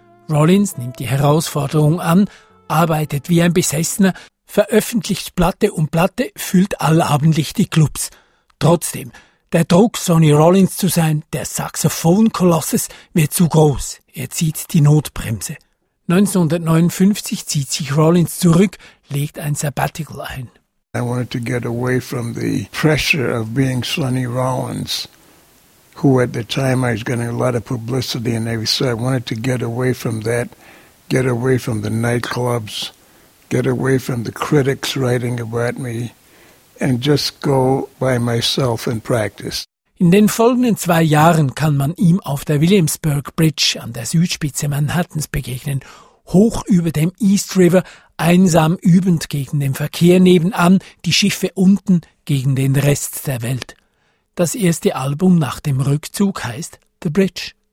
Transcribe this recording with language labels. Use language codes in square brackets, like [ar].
[de] Rollins nimmt die Herausforderung an, arbeitet wie ein Besessener, veröffentlicht Platte um Platte, füllt allabendlich die Clubs. Trotzdem, der Druck, Sonny Rollins zu sein, der Saxophon-Kolosses, wird zu groß. Er zieht die Notbremse. 1959 zieht sich Rollins zurück, legt ein Sabbatical ein. [en] I wanted to get away from the pressure of being Sonny Rollins, who at the time I was getting a lot of publicity and everything. So I wanted to get away from that, get away from the nightclubs, get away from the critics writing about me and just go by myself and practice. [de] In den folgenden 2 Jahren kann man ihm auf der Williamsburg Bridge an der Südspitze Manhattans begegnen, hoch über dem East River, einsam übend gegen den Verkehr nebenan, die Schiffe unten gegen den Rest der Welt. Das erste Album nach dem Rückzug heißt «The Bridge».